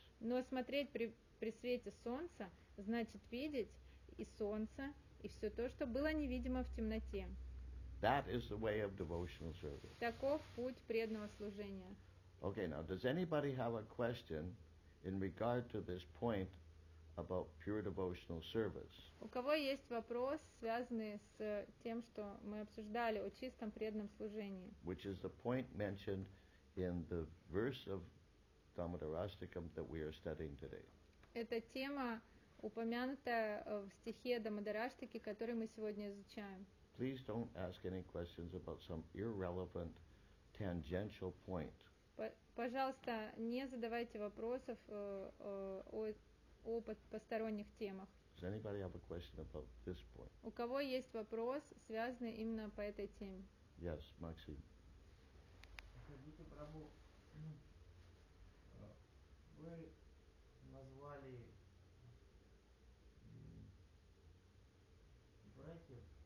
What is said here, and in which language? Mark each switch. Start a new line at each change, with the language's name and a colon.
Russian: Но смотреть при свете солнца значит видеть и солнце, и все то, что было невидимо в темноте.
English: That is the way of devotional service.
Russian: Таков путь преданного служения.
English: Okay, now does anybody have a question in regard to this point about pure devotional service?
Russian: У кого есть вопрос, связанный с тем, что мы обсуждали о чистом преданном служении?
English: Which is the point mentioned in the verse of Dhammadharashtakam that we are studying today.
Russian: Эта тема упомянута в стихе Дамадараштики, который мы сегодня изучаем.
English: Please don't ask any questions about some irrelevant tangential point.
Russian: Пожалуйста, не задавайте вопросов о посторонних темах.
English: Does anybody have a question about this point?
Russian: У кого есть вопрос, связанный именно по этой теме?
English: Yes, Maxim.
Russian: Скажите, Прабху, вы назвали братьев